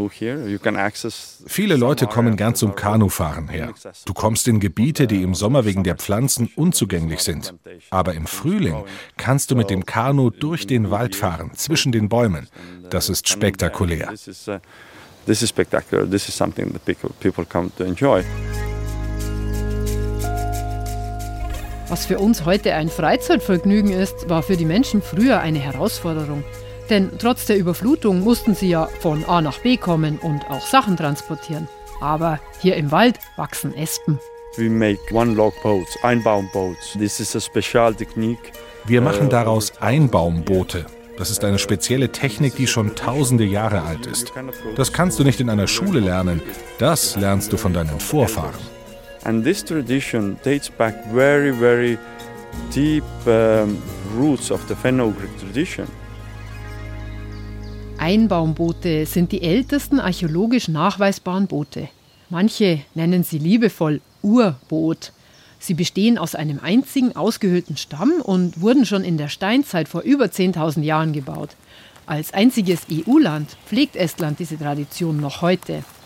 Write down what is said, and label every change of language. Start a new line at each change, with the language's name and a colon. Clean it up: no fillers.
German: Viele Leute kommen gern zum Kanufahren her. Du kommst in Gebiete, die im Sommer wegen der Pflanzen unzugänglich sind. Aber im Frühling kannst du mit dem Kanu durch den Wald fahren, zwischen den Bäumen. Das ist spektakulär.
English: This is spectacular. This is something that people come to enjoy.
German: Was für uns heute ein Freizeitvergnügen ist, war für die Menschen früher eine Herausforderung. Denn trotz der Überflutung mussten sie ja von A nach B kommen und auch Sachen transportieren. Aber hier im Wald wachsen Espen.
English: We make one log boats, Einbaumboats. This is a special technique.
German: Wir machen daraus Einbaumboote. Das ist eine spezielle Technik, die schon tausende Jahre alt ist. Das kannst du nicht in einer Schule lernen. Das lernst du von deinen Vorfahren.
English: And this tradition dates back very, very deep roots of the Fenno-Greek tradition.
German: Einbaumboote sind die ältesten archäologisch nachweisbaren Boote. Manche nennen sie liebevoll Urboot. Sie bestehen aus einem einzigen ausgehöhlten Stamm und wurden schon in der Steinzeit vor über 10.000 Jahren gebaut. Als einziges EU-Land pflegt Estland diese Tradition noch heute.